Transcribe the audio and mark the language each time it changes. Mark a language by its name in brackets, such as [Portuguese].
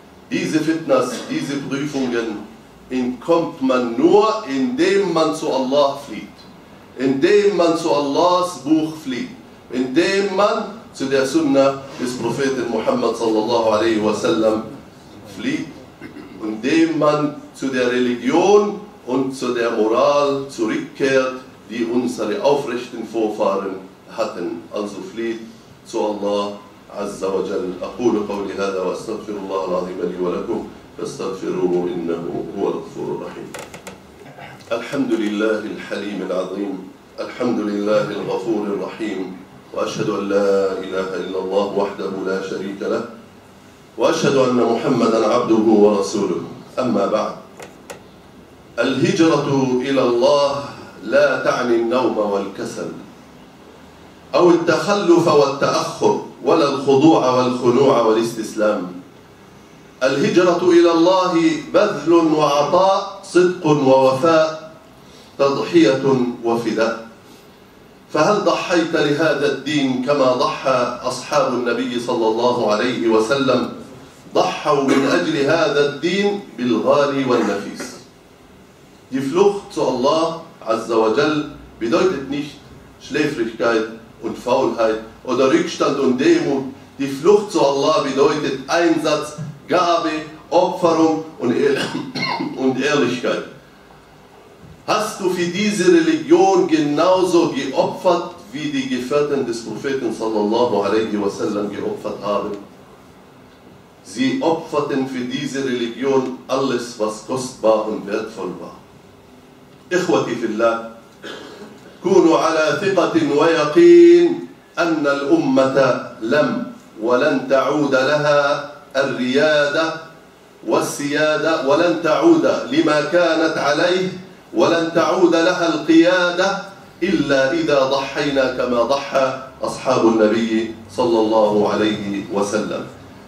[German] Diese Fitnas, diese Prüfungen, entkommt man nur, indem man zu Allah flieht, indem man zu Allahs Buch flieht, indem man zu der Sunna des Propheten Muhammad sallallahu alaihi wasallam flieht. und dem man zu der Religion und zu der Moral zurückkehrt, die unsere aufrechten Vorfahren hatten. Also flieht zu Allah Azza wa Jal. [Arabic] أقول قولي هذا واستغفر الله العظيم لي ولكم فاستغفروه إنه هو الغفور الرحيم. الحمد لله الحليم العظيم، الحمد لله الغفور الرحيم، وأشهد أن لا إله إلا الله وحده لا شريك له، وأشهد أن محمدا عبده ورسوله. أما بعد، الهجرة إلى الله لا تعني النوم والكسل أو التخلف والتأخر ولا الخضوع والخنوع والاستسلام. الهجرة إلى الله بذل وعطاء، صدق ووفاء، تضحية وفداء. فهل ضحيت لهذا الدين كما ضحى أصحاب النبي صلى الله عليه وسلم؟ ضحوا من أجل هذا الدين بالغالي والنفيس. [German] Die Flucht zu Allah Azza wa Jal bedeutet nicht Schläfrigkeit und Faulheit oder Rückstand und Demut. Die Flucht zu Allah bedeutet Einsatz, Gabe, Opferung und Ehrlichkeit. Hast du für diese Religion genauso geopfert, wie die Gefährten des Propheten sallallahu alaihi wasallam geopfert haben? Sie opferten für diese Religion alles, was kostbar und wertvoll war. [Arabic] إخوتي في الله، كونوا على ثقة ويقين أن الأمة لم ولن تعود لها الريادة والسيادة، ولن تعود لما كانت عليه، ولن تعود لها القيادة إلا إذا ضحينا كما ضحى أصحاب النبي صلى الله عليه وسلم.